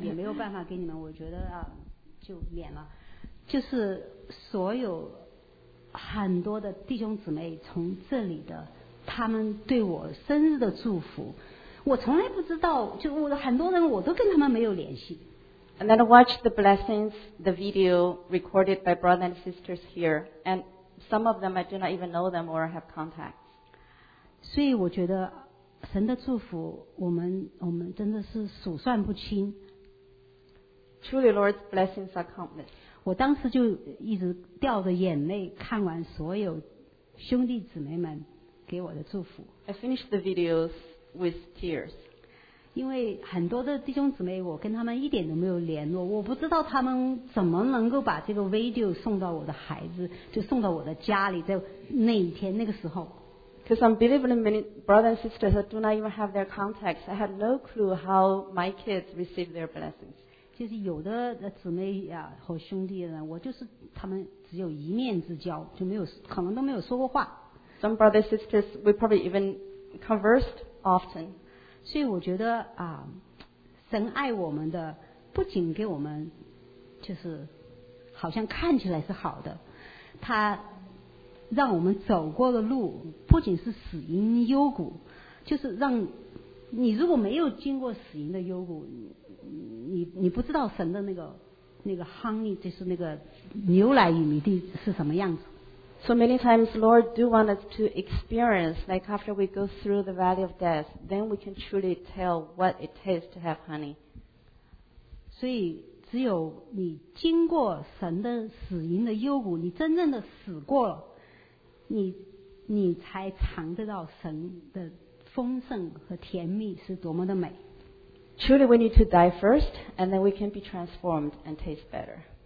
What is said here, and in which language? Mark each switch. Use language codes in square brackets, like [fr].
[zh] 也没有办法给你们，我觉得就免了。就是所有很多的弟兄姊妹从这里的，他们对我生日的祝福，我从来不知道。就我很多人，我都跟他们没有联系。 [en] And then I watched the blessings, the video recorded by brothers and sisters here, and some of them I do not even know them or have contact. [zh] 所以我觉得神的祝福我们真的是数算不清。 [en] Truly Lord's blessings are countless. [zh] 我当时就一直掉着眼泪看完所有兄弟姊妹们给我的祝福。 [en] I finished the videos with tears. [zh] 因为很多的弟兄姊妹我跟他们一点都没有联络，我不知道他们怎么能够把这个 video 送到我的孩子，就送到我的家里，在那一天那个时候。 [en] Because I'm believing many brothers and sisters that do not even have their contacts, I had no clue how my kids received their blessings. [zh] 就是有的姊妹啊和兄弟呢，我就是他们只有一面之交，就没有可能都没有说过话。 [en] Some brothers and sisters we probably even conversed often. [zh] 所以我觉得神爱我们的不仅给我们就是好像看起来是好的，他让我们走过的路不仅是死荫幽谷，就是让你如果没有经过死荫的幽谷，你不知道神的那个 honey, 就是那个牛奶与蜜地是什么样子。 [en] So many times Lord do want us to experience, like after we go through the valley of death, then we can truly tell what it takes to have honey. [zh] 所以只有你经过神的死荫的幽谷，你真正的死过了，你才尝得到神的丰盛和甜蜜是多么的美。 [en] Truly we need to die first, and then we can be transformed and taste better.